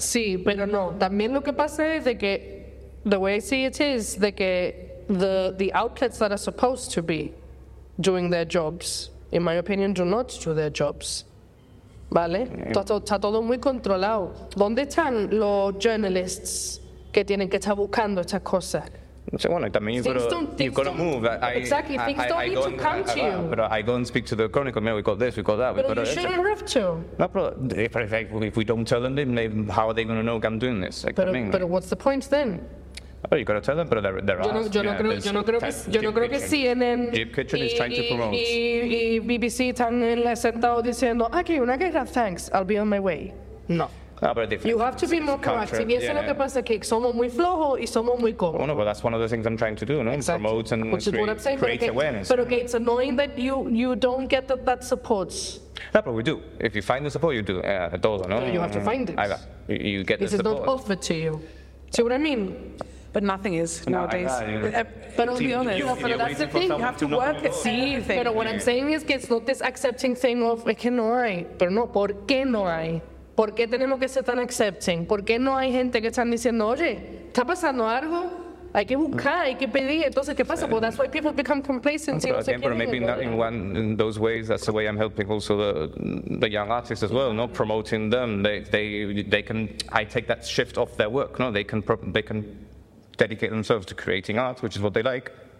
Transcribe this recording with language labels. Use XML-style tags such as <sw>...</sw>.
<es>Sí, pero no. También lo que pasa es de que,</es> <en>the way I see it is, de que the outlets that are supposed to be doing their jobs, in my opinion, do not do their jobs. ¿Vale? Yeah.</en> <es>Está todo muy controlado. ¿Dónde están los journalists que tienen que estar buscando estas cosas?</es> <en>So,</en> <es>bueno, también</es> <en>you've got to move. Exactly, things don't need to come to you. But I go and speak to the Chronicle, we've got this, we've got that. But you shouldn't have to. No, if we don't tell them, how are they going to know I'm doing this? But what's the point then? Oh, you've got to tell them, but there are. Jeep Kitchen is trying to promote.</en> <es>BBC están en la sentado diciendo, okay, una guerra,</es> <en>thanks, I'll be on my way.</en> <es>No.</es> <en>No, you have to be more proactive.</en> <es>Yes, lo que pasa es que somos muy flojos y somos muy cómodos.</es> <en>Bueno, but that's one of the things I'm trying to do, no? Exactly. Promote and create awareness. But okay, it's annoying that you don't get that support. No, but we do. If you find the support, you do.</en> <es>Todo, no?</es> <en>You have to find it. You get the support. It is not offered to you. See what I mean? But nothing is nowadays. But I'll be honest. But that's the thing. You have to work it. See, but what I'm saying is it's not this accepting thing of,</en> <es>es que no hay. Pero no, ¿por qué no hay? ¿Por qué tenemos que ser tan accepting? ¿Por qué no hay gente que están diciendo, oye, está pasando algo? Hay que buscar, hay que pedir. Entonces, ¿qué pasa?</es> <en>Well, that's why people become complacent. But maybe in those ways, that's the way I'm helping also the young artists as well, not promoting them. They can. I take that shift off their work. No, they can dedicate themselves to creating art, which is what they like.</en>